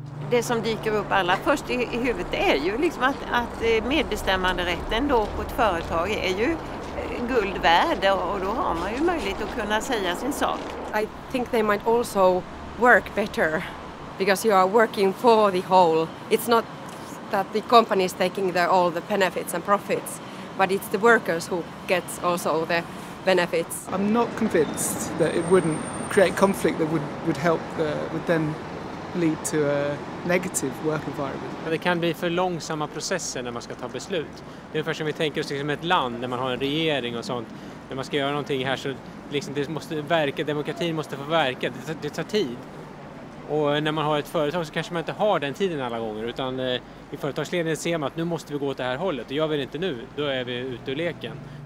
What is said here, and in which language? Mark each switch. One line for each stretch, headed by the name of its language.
Swedish: Det som dyker upp allra först i huvudet är ju liksom att medbestämmanderätten då på ett företag är ju guld värd, och då har man ju möjlighet att kunna säga sin sak.
English: I think they might also work better because you are working for the whole. It's not that the company is taking all the benefits and profits, but it's the workers who gets also the benefits. I'm not convinced that it wouldn't create conflict that would help the with them lead to a negative work environment.
Swedish: Det kan bli för långsamma processer när man ska ta beslut. Det är ungefär som vi tänker oss liksom ett land där man har en regering och sånt. När man ska göra någonting här så liksom det måste verka, demokratin måste få verka. Det tar tid. Och när man har ett företag så kanske man inte har den tiden alla gånger, utan i företagsledningen ser man att nu måste vi gå åt det här hållet, och gör vi det inte nu, då är vi ute ur leken.